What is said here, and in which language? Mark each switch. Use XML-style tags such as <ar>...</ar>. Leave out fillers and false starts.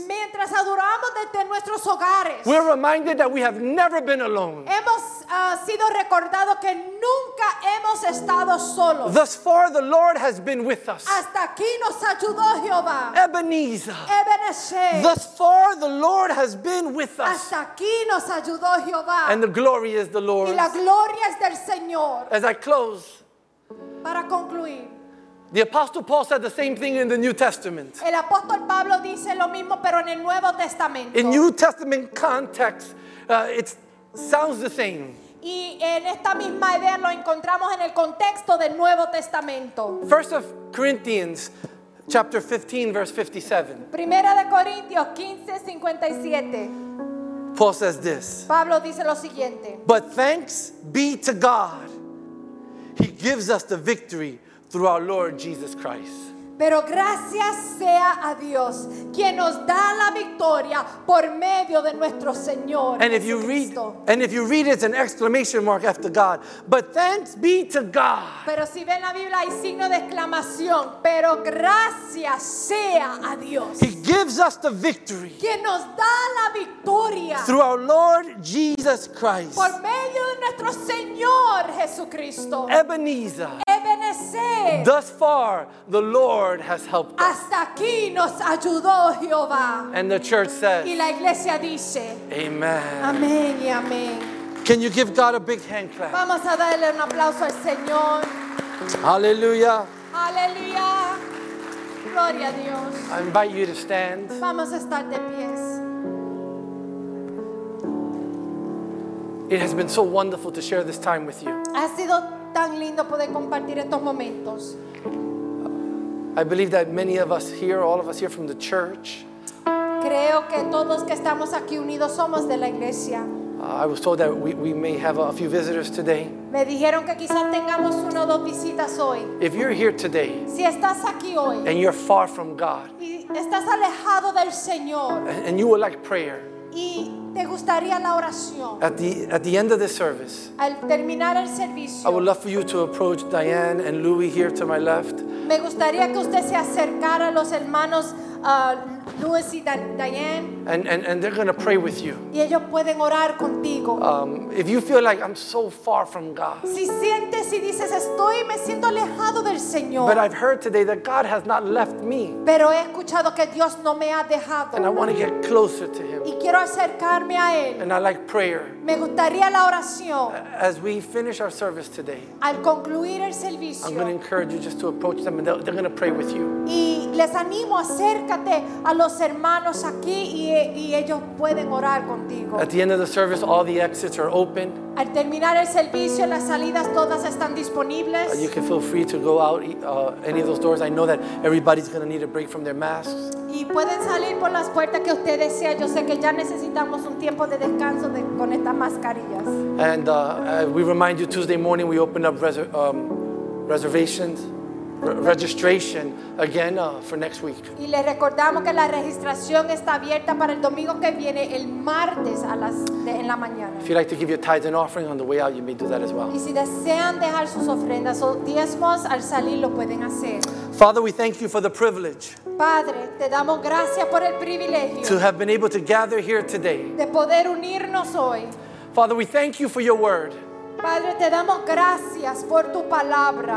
<es>mientras adoramos desde nuestros hogares,</es> <en>we're reminded that we have never been alone.</en> <es>Hemos sido recordado que nunca hemos estado solos.</es> <en>Thus far, the Lord has been with us.</en> <es>Hasta aquí nos ayudó Jehová.</es> <en>Ebenezer.</en> <es>Ebenezer.</es> <en>Thus far, the Lord has been with us.</en> <es>Hasta aquí nos ayudó Jehová.</es> <en>And the glory is the Lord.</en> <es>Glorias del Señor.</es> <en>As I close,</en> <es>para concluir,</es> <en>the Apostle Paul said the same thing in the New Testament.</en> <es>El apóstol Pablo dice lo mismo, pero en el Nuevo Testamento.</es> <en>In New Testament context, it sounds the same.</en> <es>Y en esta misma idea lo encontramos en el contexto del Nuevo Testamento.</es> <en>First of Corinthians, chapter 15, verse 57.</en> <es>Primera de Corintios 15:57.</es> <en>Paul says this.</en> <es>Pablo dice lo siguiente.</es> <en>But thanks be to God. He gives us the victory through our Lord Jesus Christ.</en> <es>Pero gracias sea a Dios, quien nos da la victoria por medio de nuestro Señor.</es> <en>And if you read, it's an exclamation mark after God. But thanks be to God.</en> <es>Pero si ven la Biblia hay signo de exclamación. Pero gracias sea a Dios.</es> <en>He gives us the victory.</en> <es>Quien nos da la victoria.</es> <en>Through our Lord Jesus Christ.</en> <es>Por medio de nuestro Señor Jesucristo.</es> <en>Ebenezer.</en> <es>Ebenezer.</es> <en>Thus far, the Lord. The Lord has helped us.</en> <es>Hasta aquí nos ayudó Jehová.</es> <en>And the church says.</en> <es>Y la iglesia dice.</es> <en>Amen.</en> <es>Amén y amén.</es> <en>Can you give God a big hand clap?</en> <es>Vamos a darle un aplauso al Señor.</es> <en>Hallelujah.</en> <es>Hallelujah. Gloria a Dios.</es> <en>I invite you to stand.</en> <es>Vamos a estar de pies.</es> <en>It has been so wonderful to share this time with you.</en> <es>Ha sido tan lindo poder compartir estos momentos.</es> <en>I believe that many of us here, all of us here from the church.</en> <es>Creo que todos que estamos aquí unidos somos de la iglesia.</es> <en>I was told that we may have a few visitors today.</en> <es>Me dijeron que quizás tengamos una o dos visitas hoy.</es> <en>If you're here today,</en> <es>si estás aquí hoy,</es> <en>and you're far from God,</en> <es>y estás alejado del Señor,</es> <en>and you would like prayer,</en> <es>y te gustaría la oración,</es> <en>at the end of the service,</en> <es>al terminar el servicio,</es> <en>I would love for you to approach Diane and Louis here to my left.</en> <es>Me gustaría que usted se acercara a los hermanos</es> <en>Louis and Diane, and they're going to pray with you.</en> <es>Y ellos pueden orar contigo.</es> <en>If you feel like I'm so far from God,</en> <es>si sientes y dices, estoy, me siento alejado del Señor.</es> <en>But I've heard today that God has not left me.</en> <es>Pero he escuchado que Dios no me ha dejado.</es> <en>And I want to get closer to Him.</en> <es>Y quiero acercarme a Él.</es> <en>And I like prayer.</en> <es>Me gustaría la oración.</es> <en>As we finish our service today,</en> <es>al concluir el servicio,</es> <en>I'm going to encourage you just to approach them, and they're going to pray with you.</en> <es>Y les animo, acércate a los hermanos aquí y ellos pueden orar contigo.</es> <en>At the end of the service, all the exits are open.</en> <es>Al terminar el servicio, las salidas todas están disponibles.</es> <en>You can feel free to go out any of those doors. I know that everybody's going to need a break from their masks.</en> <es>Y pueden salir por las puertas que usted desea. Yo sé que ya necesitamos un tiempo de descanso con estas mascarillas.</es> <en>And we remind you, Tuesday morning we open up reservations. Registration again for next week.</en> <es>Y le recordamos que la registración está abierta para el domingo que viene, el martes a las en la mañana.</es> <en>If you'd like to give your tithes and offering on the way out, you may do that as well.</en> <es>Y si desean dejar sus ofrendas o diezmos al salir, lo pueden hacer.</es> <en>Father, we thank you for the privilege.</en> <es>Padre, te damos gracias por el privilegio.</es> <en>To have been able to gather here today.</en> <es>De poder unirnos hoy.</es> <en>Father, we thank you for your word.</en> <es>Padre, te damos gracias por tu palabra.</es>